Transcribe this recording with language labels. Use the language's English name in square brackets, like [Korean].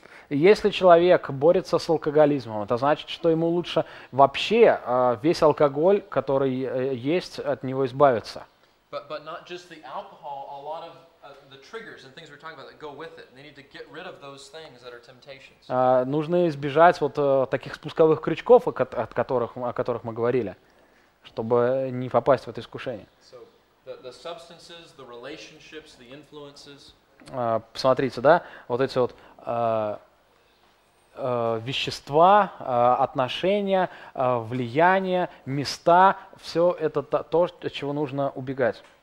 [Russian] Если человек борется с алкоголизмом, это значит, что ему лучше вообще весь алкоголь, который есть, от него избавиться. Нужно избежать вот таких спусковых крючков, о которых мы говорили, чтобы не попасть в это искушение. [English] The substances, the relationships, the influences. [Russian] Посмотрите, да, вот эти вот вещества, отношения, влияния, места, все это то, от чего нужно убегать.